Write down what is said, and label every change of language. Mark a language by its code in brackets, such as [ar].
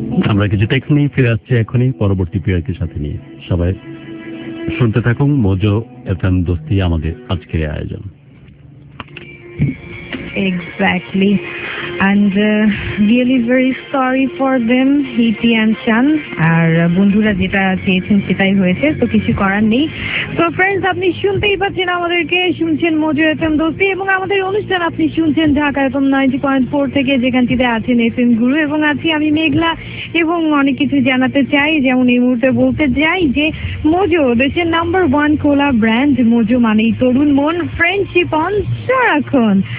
[bn] আমরা কিছু টেক্স নিয়ে ফিরে আসছি এখনই পরবর্তী প্রিয়ারকের সাথে নিয়ে, সবাই শুনতে থাকুন মজো এফএম দোস্তি, আমাদের আজকের আয়োজন। [en] Exactly. And really very sorry for them, Hiti and Chan. [bn] আর বন্ধুরা যেটা চেয়েছেন সেটাই হয়েছে, তো কিছু করার নেই। তো ফ্রেন্ডস, আপনি শুনতেই পাচ্ছেন আমাদেরকে, শুনছেন মজুর এফ এম দোস্তি, এবং আমাদের অনুষ্ঠান আপনি শুনছেন ঢাকা এফ এম 90.4 থেকে, যেখানটিতে আছেন এফ এম গুরু এবং আছি আমি মেঘলা। এবং অনেক কিছু জানাতে চাই, যেমন এই মুহূর্তে বলতে চাই যে মোজো দেশের নাম্বার ওয়ান কোলা ব্র্যান্ড, মোজো মানেই তরুণ মন, ফ্রেন্ডশিপ অন রাখুন।